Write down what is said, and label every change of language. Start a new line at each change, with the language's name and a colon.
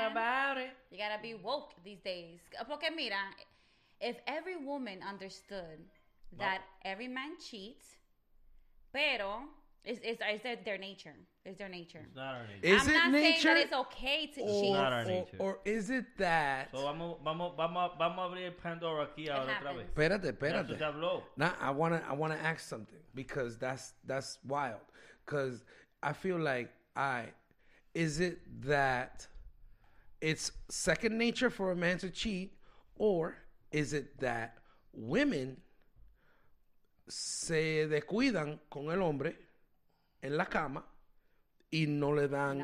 English: Right about it. You gotta be woke these days.
Spanish: Porque mira,
English: if every woman understood that every man cheats,
Spanish: pero
English: it's their nature. It's their nature. It's not our nature. Is it nature? I'm not saying that it's okay to cheat. It's not our nature. Or is it that...
Spanish: So vamos a abrir Pandora aquí ahora otra vez. Espérate.
English: Now, I wanna ask something because that's wild. Because I feel like, is it that it's second nature for a man to cheat, or is it that women
Spanish: se descuidan con el hombre en la cama y no le dan